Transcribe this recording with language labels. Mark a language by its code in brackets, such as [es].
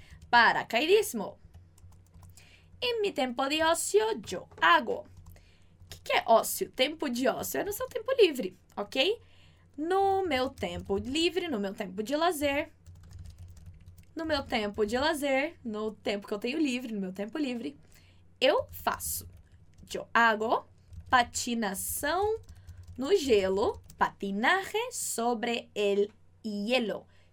[es] Paracaidismo. En mi tiempo de ocio, yo hago. [pt] Que é ócio? Tempo de ócio é no seu tempo livre, ok? No meu tempo livre, no meu tempo de lazer. No meu tempo de lazer, no tempo que eu tenho livre, no meu tempo livre, eu faço. Eu hago patinação no gelo. [es] Patinaje sobre el hielo.